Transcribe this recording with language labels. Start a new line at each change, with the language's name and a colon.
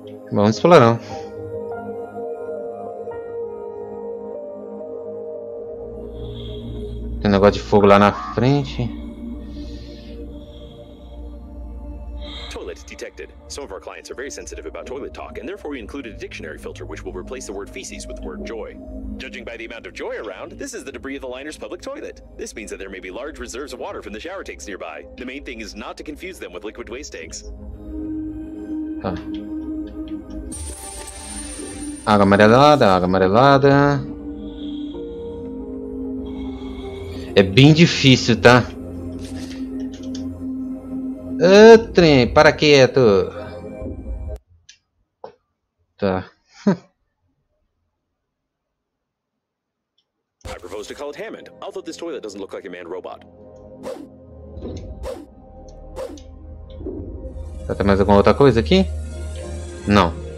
Portuguese: Vamos explorar. Tem um negócio de fogo lá na frente.
English: Toilet detected. Some of our clients are very sensitive about toilet talk, and therefore we included a dictionary filter which will replace the word feces with the word joy. Judging by the amount of joy around, this is the debris of the liner's public toilet. This means that there may be large reserves of water from the shower tanks nearby. The main thing is not to confuse them with liquid waste tanks. Huh.
Portuguese: Água amarelada, água amarelada. É bem difícil, tá? Ô, trem, para quieto. Tá.
English: I propose to call it Hammond, although this toilet doesn't look like a manned robot.
Portuguese: Tá, tem mais alguma outra coisa aqui? Não.